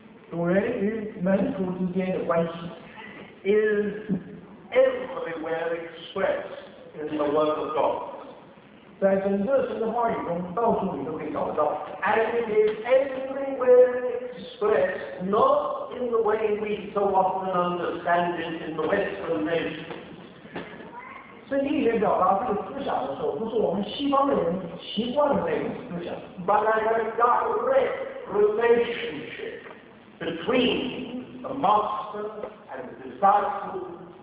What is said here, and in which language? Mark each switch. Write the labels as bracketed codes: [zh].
[zh] 主人与门徒之间的关系 [en] is everywhere expressed in the Word of God. [zh] 在整个神的话语中，到处你都可以找得到。 [en] And it is everywhere expressed, not in the way we so often understand it in the Western nations. [zh] 圣经里面表达这个思想的时候，不是我们西方的人习惯的那种思想。 [en] But a direct relationship between the Master and the disciple.